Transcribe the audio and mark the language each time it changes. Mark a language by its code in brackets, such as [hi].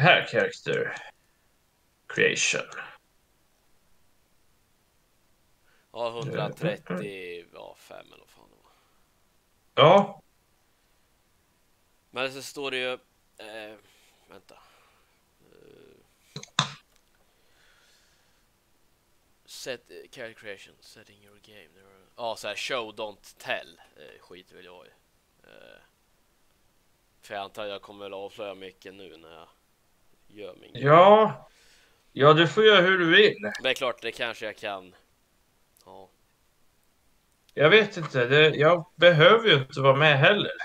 [sv] Här, character creation. Ja, 130, ja 5 eller vad fan det var. Ja. Men så står det ju, vänta. [en] Set character creation, setting your game. [sv] Ja, så här [en] show don't tell. [sv] Skit vill jag ju. För jag antar att jag kommer väl avslöja mycket nu när jag gör min grej. Ja, du får göra hur du vill. Men det är klart, det kanske jag kan. Ja. Jag vet inte, jag behöver ju inte vara med heller.